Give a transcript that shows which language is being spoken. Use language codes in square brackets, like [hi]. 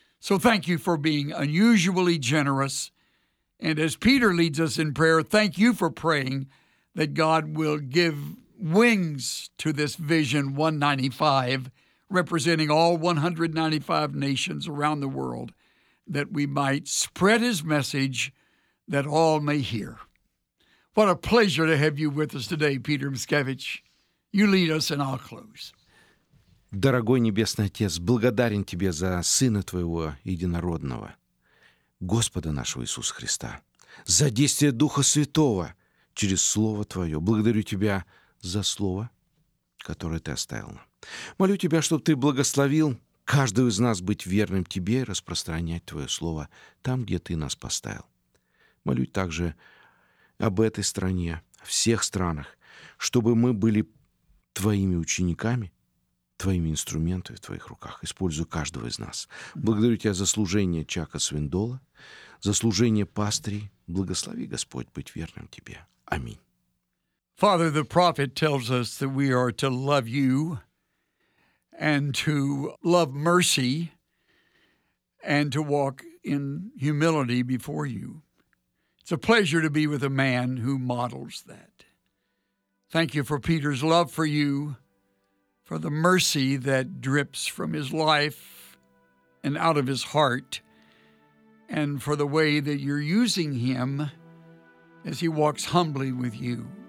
[en] So thank you for being unusually generous. And as Peter leads us in prayer, thank you for praying that God will give wings to this vision 195, representing all 195 nations around the world, that we might spread his message that all may hear. What a pleasure to have you with us today, Peter Mskevich. You lead us and I'll close. [ru] Дорогой Небесный Отец, благодарен Тебе за Сына Твоего Единородного, Господа нашего Иисуса Христа, за действие Духа Святого через Слово Твое. Благодарю Тебя за Слово, которое Ты оставил нам. Молю Тебя, чтобы Ты благословил каждого из нас быть верным Тебе и распространять Твое Слово там, где Ты нас поставил. Молю также об этой стране, о всех странах, чтобы мы были Твоими учениками, Твоими инструментами в Твоих руках. Использую каждого из нас. Благодарю Тебя за служение Чака Свиндола, за служение пастырей, Благослови Господь быть верным тебе. Аминь. [en] Father, the prophet tells us that we are to love you and to love mercy and to walk in humility before you. It's a pleasure to be with a man who models that. Thank you for Peter's love for you, for the mercy that drips from his life and out of his heart, and for the way that you're using him as he walks humbly with you.